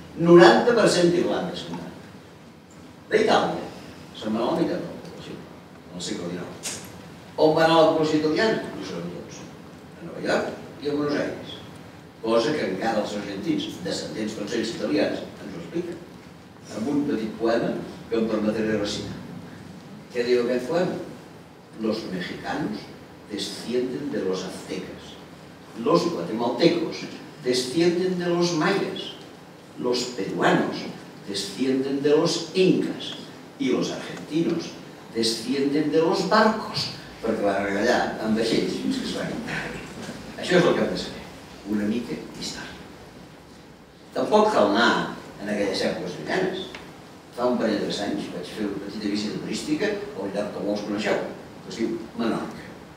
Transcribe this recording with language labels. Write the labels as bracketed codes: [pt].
[ca] 90% d'Irlanda es van quedar. D'Itàlia, se'n va anar a la meitat de la població, en el segle XIX. On va anar la població italiana? No són tots. A Nova York i a Buenos Aires. Cosa que encara els argentins, descendents tots ells italians, ens ho expliquen, amb un petit poema que em permetré recitar. Què diu aquest poema? [es] Los mexicanos descienden de los aztecas. Los guatemaltecos descienden de los mayas. Los peruanos descienden de los incas. Y los argentinos descienden de los barcos. [ca] Perquè van arribar allà amb vaixells fins que es van entrar. Això és el que hem de saber. Una mica d'història. Tampoc cal anar en aquelles èpoques brillants. Fa un parell de anys vaig fer una petita visita turística a un lloc que molts coneixeu, que es diu Menorca.